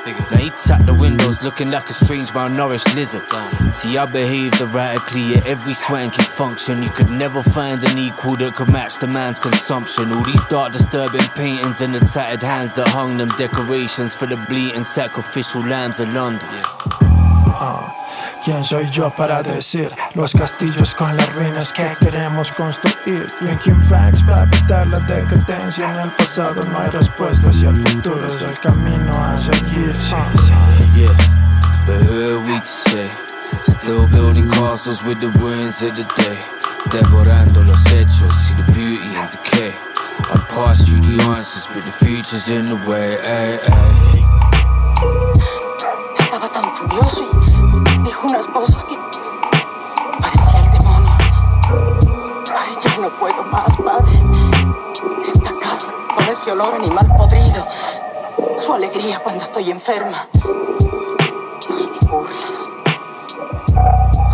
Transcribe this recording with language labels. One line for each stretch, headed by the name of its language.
English: Now he tapped the windows looking like a strange malnourished lizard. See, I behaved erratically at every swanky function. You could never find an equal that could match the man's consumption. All these dark disturbing paintings and the tattered hands that hung them, decorations for the bleating sacrificial lambs of London.
Spanish: ¿Quién soy yo para decir? Los castillos con las ruinas que queremos construir.
English: Drinking facts
Spanish: para evitar la decadencia. En el pasado no hay respuestas y el futuro es el camino a seguir.
English: Yeah, but heard we say, still building castles with the ruins of the day,
Spanish: devorando los hechos y
English: the beauty and decay. I passed you the answers, but the future's in the way, ay, ay.
Spanish: Estaba tan furioso y dijo unas cosas que parecía el demonio. Ay, ya no puedo más, padre. Esta casa con ese olor animal podrido. Su alegría cuando estoy enferma. Sus burlas.